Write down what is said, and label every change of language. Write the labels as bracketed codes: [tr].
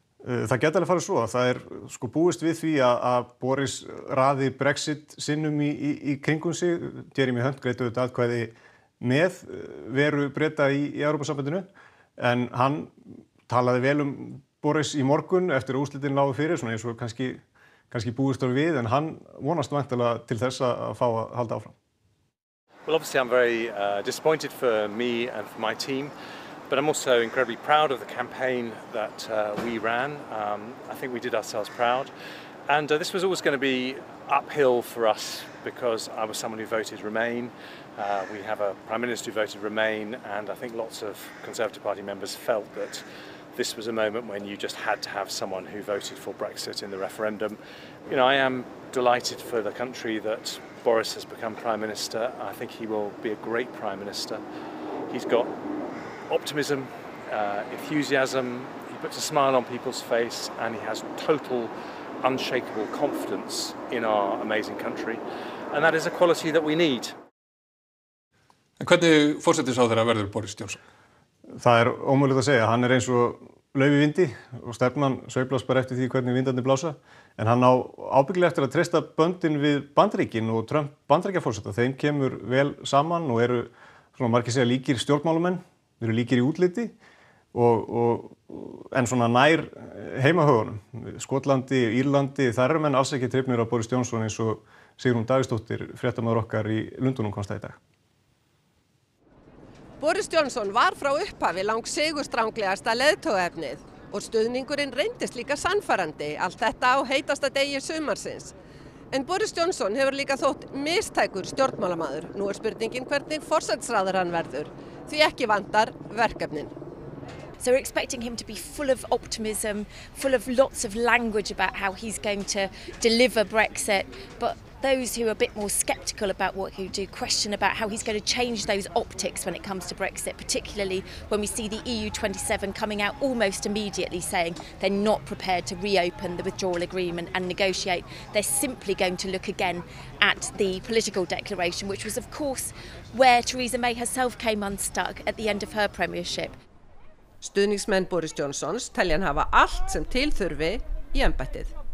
[is] Það geta alveg farið svo að það er sko búist við því að Boris raði Brexit sinnum í kringum sig, Jeremy Hunt greiddi auðvitað atkvæði með veru Breta í Evrópusambandinu, en hann talaði vel Boris í morgun eftir úrslitin lágu fyrir, svona eins og kannski búist orð við, en hann vonast væntanlega til þess að fá að halda áfram. [en] Well, obviously I'm very disappointed for me and for my team. But I'm also incredibly proud of the campaign that we ran. I think we did ourselves proud. And this was always going to be uphill for us because I was someone who voted Remain. We have a Prime Minister who voted Remain, and I think lots of Conservative Party members felt that this was a moment when you just had to have someone who voted for Brexit in the referendum. You know, I am delighted for the country that Boris has become Prime Minister. I think he will be a great Prime Minister. He's got optimism, enthusiasm, he puts a smile on people's face and he has total unshakable confidence in our amazing country and that is a quality that we need. [is] En hvernig forsætisráðherra verður Boris Johnson? Það er ómögulegt að segja, hann er eins og lauf í vindi og stefnan sveiflast bara eftir því hvernig vindarnir blása en hann á ábyggilega eftir að treysta böndin við Bandaríkin og Trump Bandaríkjaforseta, þeim kemur vel saman og eru svona margir segja líkir stjórnmálamenn. Við eru líkir í útliti En svona nær heimahögunum, Skotlandi, Írlandi, þar eru menn alls ekki trefnir á Boris Johnson eins og Sigrún Davíðsdóttir, fréttamaður okkar í Lundunum komst að í dag. Boris Johnson var frá upphafi lang sigurstranglegasta leiðtogaefnið og stuðningurinn reyndist líka sannfarandi allt þetta á heitasta degi sumarsins. En Boris Johnson hefur líka þótt mistækur stjórnmálamaður. Nú spurningin hvernig forsætisráðherra hann verður, því ekki vantar verkefnin. [en] So we're expecting him to be full of optimism, full of lots of language about how he's going to deliver Brexit. But those who are a bit more sceptical about what he'll do question about how he's going to change those optics when it comes to Brexit, particularly when we see the EU27 coming out almost immediately saying they're not prepared to reopen the withdrawal agreement and negotiate. They're simply going to look again at the political declaration, which was of course where Theresa May herself came unstuck at the end of her premiership. [is] Stuðningsmenn Boris Johnsons telja hann hafa allt sem til þurfi í embættið.